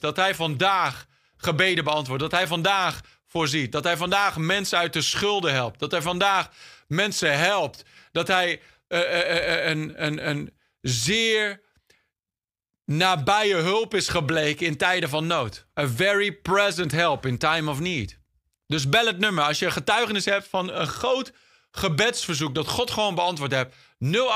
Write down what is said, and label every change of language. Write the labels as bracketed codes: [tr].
[nl] Dat hij vandaag gebeden beantwoordt. Dat hij vandaag voorziet. Dat hij vandaag mensen uit de schulden helpt. Dat hij vandaag mensen helpt. Dat hij een zeer nabije hulp is gebleken in tijden van nood. [en] A very present help in time of need. [nl] Dus bel het nummer. Als je een getuigenis hebt van een groot gebedsverzoek dat God gewoon beantwoord hebt, 085-401-7100.